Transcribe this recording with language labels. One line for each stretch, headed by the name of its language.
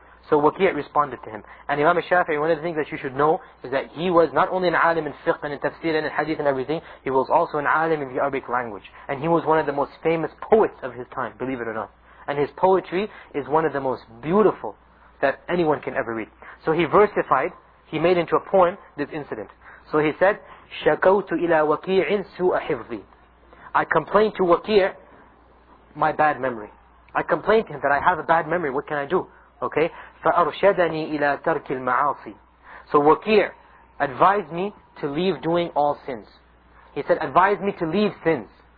English: So Waqi' responded to him. And Imam al-Shafi'i, one of the things that you should know is that he was not only an alim in fiqh and in tafsir and in hadith and everything, he was also an alim in the Arabic language. And he was one of the most famous poets of his time, believe it or not. And his poetry is one of the most beautiful that anyone can ever read. So he versified, he made into a poem this incident. So he said,
Arabic: شَكَوْتُ إِلَى وَكِيعٍ سُوءَ حِفْظِي.
English: I complained to Waqi' my bad memory. I complained to him that I have a bad memory. What can I do? Okay.
Arabic: فَأَرْشَدَنِي إِلَى تَرْكِ الْمَعَاصِي.
English: So Waqi' advised me to leave doing all sins. He said, advise me to leave sins.